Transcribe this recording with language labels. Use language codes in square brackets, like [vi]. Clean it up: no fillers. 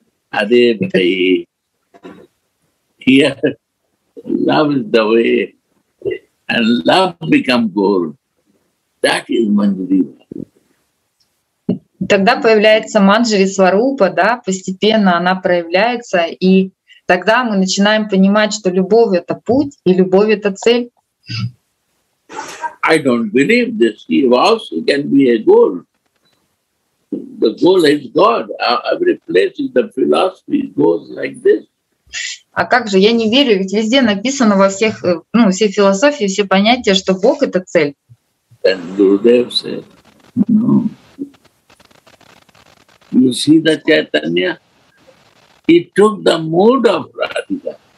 [en] Hare Bhai, here, love is the way, and love become goal. That is Manjari. [ru] тогда появляется Маджари Сварупа, да, постепенно она проявляется, и тогда мы начинаем понимать, что любовь — это путь, и любовь — это цель. [en] I don't believe this. He was, he can be a goal. The goal is God. Every place in the philosophy goes like this. [ru] А как же, я не верю, ведь везде написано во всех, ну, все философии, все понятия, что Бог — это цель. [en] And Gurudev said, no. You see the Chaitanya? He took the mood of Radha.